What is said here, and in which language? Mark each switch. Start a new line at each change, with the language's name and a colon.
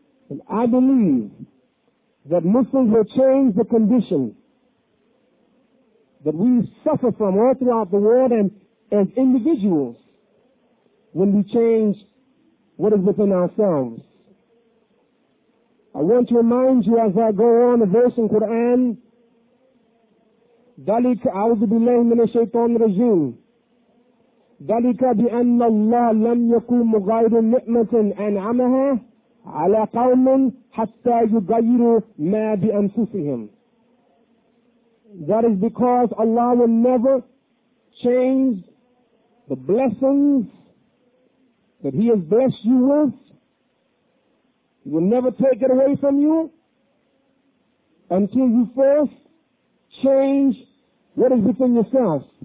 English: And I believe that Muslims will change the condition that we suffer from all throughout the world and as individuals when we change what is within ourselves. I want to remind you as I go on a verse in Quran,
Arabic: ذَلِكَ أَعُوذُ بِاللَّهِ مِنَ الشَّيْطَانِ الرَّجِيمِ ذَلِكَ بِأَنَّ اللَّهَ لَمْ يَكُنْ مُغَيِّرًا نِعْمَةً أَنْعَمَهَا عَلَى قَوْمٍ حَتَّى يُغَيِّرُوا مَا بِأَنْفُسِهِمْ.
English: That is because Allah will never change the blessings that He has blessed you with. He will never take it away from you until you first change what is within yourself.